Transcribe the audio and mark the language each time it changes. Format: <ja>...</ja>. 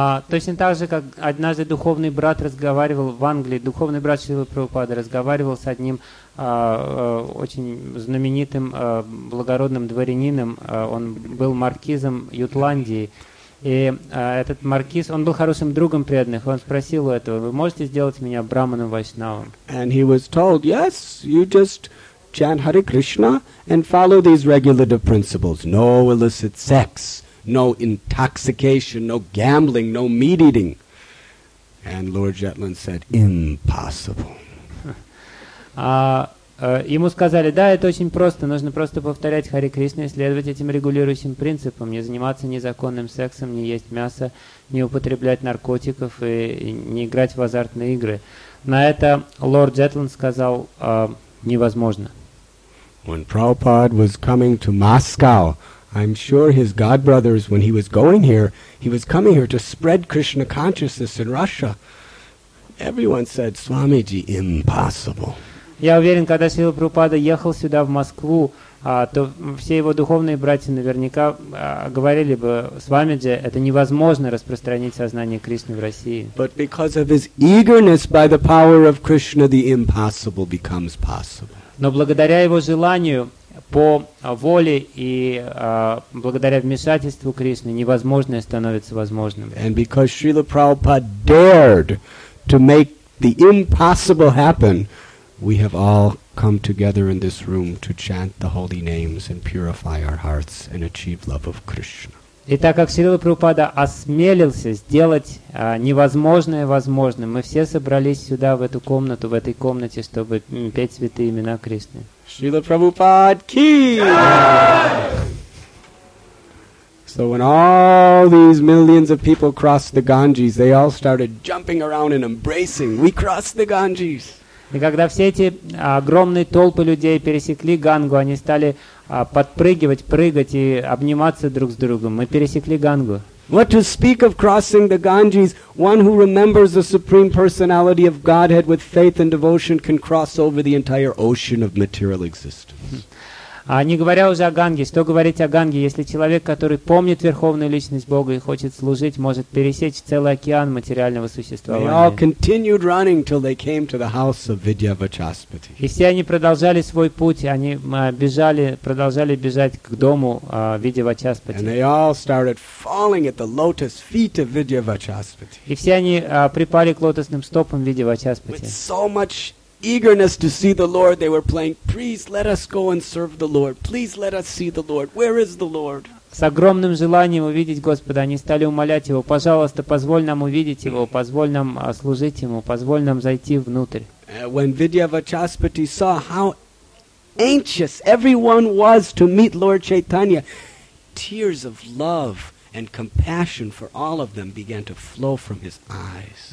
<ru>Точно так же, как однажды духовный брат разговаривал в Англии, духовный брат Шрилы Прабхупады разговаривал с одним очень знаменитым благородным дворянином. Он был маркизом Ютландии. И этот маркиз, он был хорошим другом преданных, он спросил у этого, вы можете сделать меня брахманом вайшнавом?</ru> <en>And he was told, yes, you just chant Hare Krishna and follow these regulative principles. No illicit sex, no intoxication, no gambling, no meat eating. And Lord Jutland said, impossible.</en> <ru>Ему сказали, да, это очень просто, нужно просто повторять Харе Кришну и следовать этим регулирующим принципам, не заниматься незаконным сексом, не есть мясо, не употреблять наркотиков и не играть в азартные игры. На это лорд Джетланд сказал, невозможно.</ru> <en>When Prabhupada was coming to Moscow, I'm sure his godbrothers, when he was coming here to spread Krishna consciousness in Russia. Everyone said, Swamiji, impossible.</en> <ru>Я уверен, когда Шрила Прабхупада ехал сюда, в Москву, то все его духовные братья наверняка говорили бы, Свамиджи, это невозможно распространить сознание Кришны в России.</ru> <en>But because of his eagerness by the power of Krishna, the impossible becomes possible.</en> <ru>Но благодаря его желанию, по воле и благодаря вмешательству Кришны, невозможное становится возможным.</ru> <en>And because Srila Prabhupada dared to make the impossible happen, we have all come together in this room to chant the holy names and purify our hearts and achieve love of Krishna.</en> <ru>И так как Шрила Прабхупада осмелился сделать невозможное возможным, мы все собрались сюда, в эту комнату, в этой комнате, чтобы петь святые имена Кришны. Шрила Прабхупад ки!</ru> <en>So when all these millions of people crossed the Ganges, they all started jumping around and embracing, we crossed the Ganges.</en> <ru>И когда все эти огромные толпы людей пересекли Гангу, они стали подпрыгивать, прыгать и обниматься друг с другом. Мы пересекли Гангу.</ru> <en>What to speak of crossing the Ganges? One who remembers the Supreme Personality of Godhead with faith and devotion can cross over the entire ocean of material existence.</en> <ru>Не говоря уже о Ганге, что говорить о Ганге, если человек, который помнит Верховную Личность Бога и хочет служить, может пересечь целый океан материального существования.</ru> <en>They all continued running till they came to the house of Vidya Vachaspati.</en> <ru>И все они продолжали свой путь, они бежали, продолжали бежать к дому Vidya Vachaspati.</ru> <en>And they all started falling at the lotus feet of Vidya Vachaspati.</en> <ru>И все они припали к лотосным стопам Vidya Vachaspati.</ru> <en>With so much eagerness to see the Lord, they were praying, "Please let us go and serve the Lord. Please let us see the Lord. Where is the Lord?"</en> <ru>С огромным желанием увидеть Господа, они стали умолять Его, пожалуйста, позволь нам увидеть Его, позволь нам служить Ему, позволь нам зайти внутрь.</ru> <en>When Vidya Vachaspati saw how anxious everyone was to meet Lord Chaitanya, tears of love and compassion for all of them began to flow from his eyes.</en>